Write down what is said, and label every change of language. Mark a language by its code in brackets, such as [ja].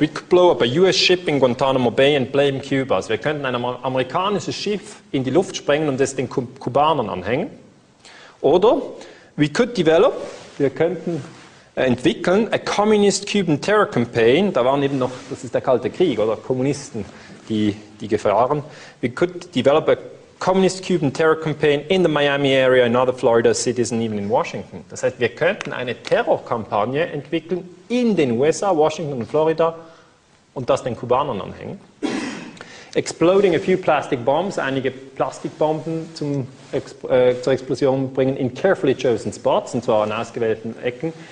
[en] We could blow up a US ship in Guantanamo Bay and blame Cuba. [de] Also wir könnten ein amerikanisches Schiff in die Luft sprengen und es den Kubanern anhängen. Oder [en] we could develop, [de] wir könnten entwickeln, [en] a communist Cuban terror campaign, [de] da waren eben noch, das ist der Kalte Krieg, oder Kommunisten, die gefahren. [en] We could develop a communist Cuban terror campaign in the Miami area, in other Florida cities and even in Washington. [de] Das heißt, wir könnten eine Terrorkampagne entwickeln in den USA, Washington und Florida und das den Kubanern anhängen. [en] Exploding a few plastic bombs, [de] einige Plastikbomben zur Explosion bringen [en] in carefully chosen spots, [de] und zwar an ausgewählten Ecken.